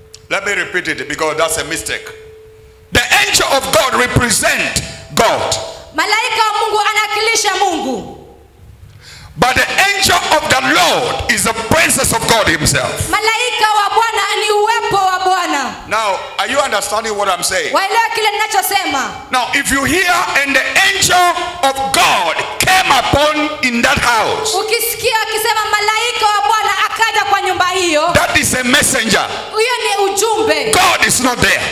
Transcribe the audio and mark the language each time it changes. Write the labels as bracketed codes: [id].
[en] Let me repeat it because that's a mistake. The angel of God represents God. [sw] Malaika wa Mungu anakilisha Mungu. [en] But the angel of the Lord is the presence of God himself. [sw] Malaika wa Bwana ni uwepo wa Bwana. [en] Now, are you understanding what I'm saying? [sw] Waelewa kile ninachosema. [en] Now, if you hear and the angel of God came upon in that house, [sw] ukisikia akisema malaika wa Bwana akaja kwa nyumba hiyo, [en] that is a messenger. [sw] Huyo ni ujumbe. [en] God is not there.